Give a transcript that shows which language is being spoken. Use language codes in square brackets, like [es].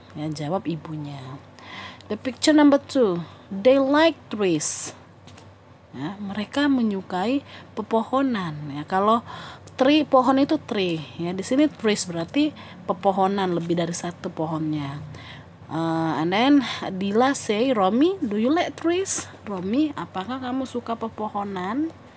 [id] Ya, jawab ibunya. [en] The picture number two. They like trees. [id] Ya, mereka menyukai pepohonan. Ya, kalau tree, pohon itu tree. Ya, di sini trees berarti pepohonan, lebih dari satu pohonnya. [en] And then Dila say, Romy, do you like trees? [id] Romy, apakah kamu suka pepohonan?